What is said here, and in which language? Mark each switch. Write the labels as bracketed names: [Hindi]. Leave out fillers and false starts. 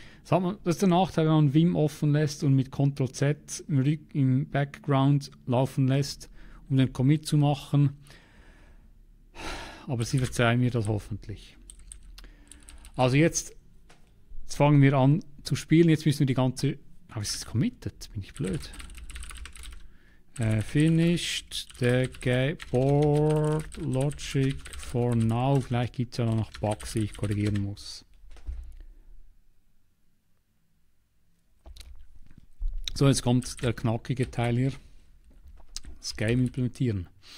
[German] Das ist der Nachteil, wenn man Vim offen lässt und mit Ctrl-Z im Background laufen lässt, um den Commit zu machen. Aber sie verzeihen mir das hoffentlich. Also jetzt fangen wir an zu spielen. Jetzt müssen wir die ganze... Aber es ist committed, bin ich blöd. [English] Finished the game board logic for now. [German] Vielleicht gibt es ja noch Bugs, die ich korrigieren muss. So, jetzt kommt der knackige Teil hier. Das Game implementieren.